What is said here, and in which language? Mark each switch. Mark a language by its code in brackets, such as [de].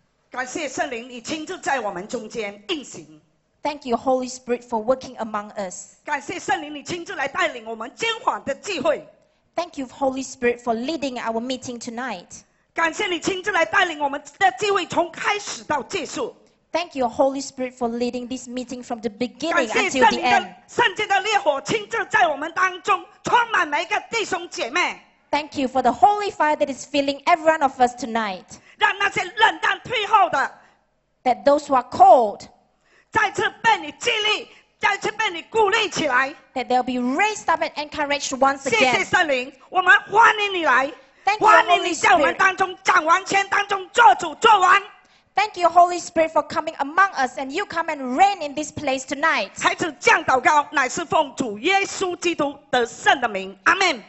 [zh] 感谢圣灵，你亲自在我们中间运行。 [en] Thank you, Holy Spirit, for working among us. [zh] 感谢圣灵，你亲自来带领我们今晚的聚会。 [en] Thank you, Holy Spirit, for leading our meeting tonight. [zh] 感谢你亲自来带领我们的聚会从开始到结束。 [en] Thank you, Holy Spirit, for leading this meeting from the beginning until the end. [zh] 感谢圣灵的圣洁的烈火亲自在我们当中充满每一个弟兄姐妹。 [en] Thank you for the holy fire that is filling every one of us tonight. [zh] 让那些冷淡退后的 [en] that those who are cold [zh] 再次被你激励，再次被你鼓励起来 [en] that they'll be raised up and encouraged once again. [zh] 谢谢圣灵，我们欢迎你来 [en] Thank you, Holy Spirit. [zh] 欢迎你在我们当中掌王权当中做主做王 [en] Thank you, Holy Spirit, for coming among us and you come and reign in this place tonight. [zh] 孩子降祷告乃是奉主耶稣基督得胜的名 Amen.